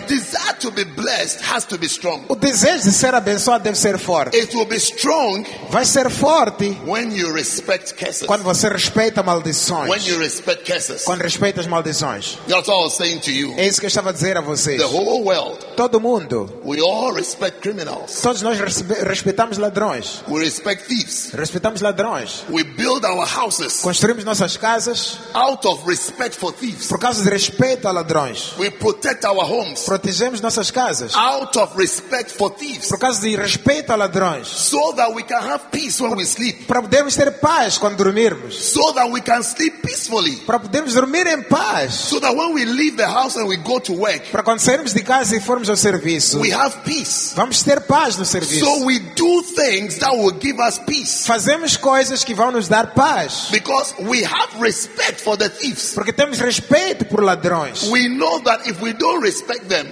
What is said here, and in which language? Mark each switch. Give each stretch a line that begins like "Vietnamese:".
English: The desire to be blessed has to be strong.
Portuguese: O desejo de ser abençoado deve ser forte.
English: It will be strong.
Portuguese: Vai ser forte.
English: When you respect curses.
Portuguese: Quando você respeita maldições.
English: When you respect curses.
Portuguese: Quando respeitas maldições.
English: That's all I was saying to you.
Portuguese: É isso que eu estava a dizer a vocês.
English: The whole world.
Portuguese: Todo mundo.
English: We all respect criminals.
Portuguese: Todos nós respeitamos ladrões.
English: We respect thieves.
Portuguese: Respeitamos ladrões.
English: We build our houses.
Portuguese: Construímos nossas casas.
English: Out of respect for
Portuguese: por causa de respeito a ladrões.
English: We protect our homes.
Portuguese: Protegemos nossas casas.
English: Out of respect for thieves.
Portuguese: Por causa de respeito a ladrões.
English: So that we can have peace when we sleep.
Portuguese: Para podermos ter paz quando dormirmos.
English: So that we can sleep peacefully.
Portuguese: Para podermos dormir em paz.
English: So that when we leave the house and we go to work.
Portuguese: Para quando sairmos de casa e formos ao serviço.
English: We have peace.
Portuguese: Vamos ter paz no serviço.
English: So we do things that will give us peace.
Portuguese: Fazemos coisas que vão nos dar paz.
English: Because we have respect for the thieves.
Portuguese: Porque temos respeito por ladrões.
English: We know that if we don't respect them,